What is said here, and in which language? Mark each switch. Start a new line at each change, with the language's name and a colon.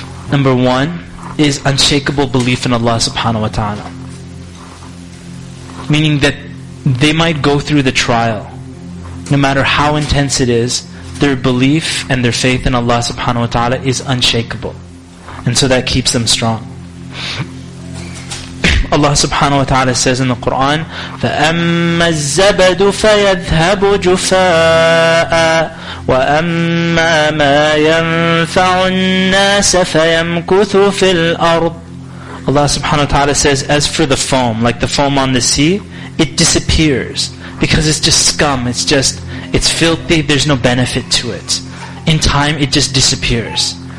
English: Number one is unshakable belief in Allah subhanahu wa ta'ala. Meaning that they might go through the trial. No matter how intense it is, their belief and their faith in Allah subhanahu wa ta'ala is unshakable. And so that keeps them strong. Allah subhanahu wa ta'ala says in the Quran,
Arabic: فَأَمَّا الزَّبَدُ فَيَذْهَبُ جُفَاءً وَأَمَّا مَا يَنْفَعُ النَّاسَ فَيَمْكُثُ فِي الْأَرْضِ.
English: Allah subhanahu wa ta'ala says, as for the foam, like the foam on the sea, it disappears because it's just scum, it's filthy, there's no benefit to it. In time, it just disappears.